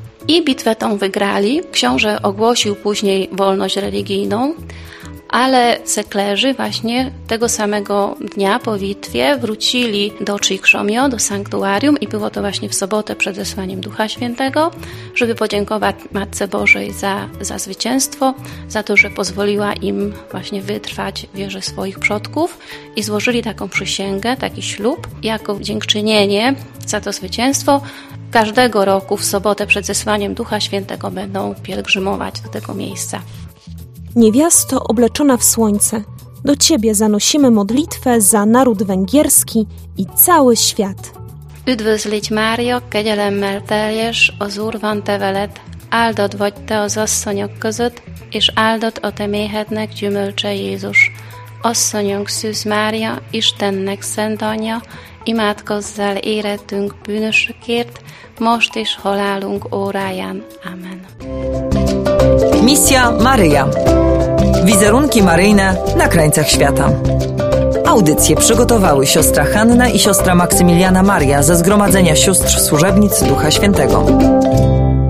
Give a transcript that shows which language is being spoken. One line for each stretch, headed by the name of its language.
Polish: I bitwę tą wygrali. Książę ogłosił później wolność religijną, ale seklerzy właśnie tego samego dnia po bitwie wrócili do Csíksomlyó, do sanktuarium i było to właśnie w sobotę przed zesłaniem Ducha Świętego, żeby podziękować Matce Bożej za zwycięstwo, za to, że pozwoliła im właśnie wytrwać w wierze swoich przodków i złożyli taką przysięgę, taki ślub jako dziękczynienie za to zwycięstwo. Każdego roku w sobotę przed zesłaniem Ducha Świętego będą pielgrzymować do tego miejsca. Niewiasto obleczona w słońce, do Ciebie zanosimy modlitwę za naród węgierski i cały świat.
Hungarian: Üdvözlégy Mária, kegyelem teljes, az Úr van te veled, áldott vagy te az asszonyok között, és áldott a te méhednek gyümölcse Jézus. Asszonyunk szűz Mária, Istennek szent anyja, imádkozzál érettünk bűnösökért, most is halálunk óráján. Amen.
Polish: Misja Maryja. Wizerunki maryjne na krańcach świata. Audycję przygotowały siostra Hanna i siostra Maksymiliana Maria ze Zgromadzenia Sióstr Służebnic Ducha Świętego.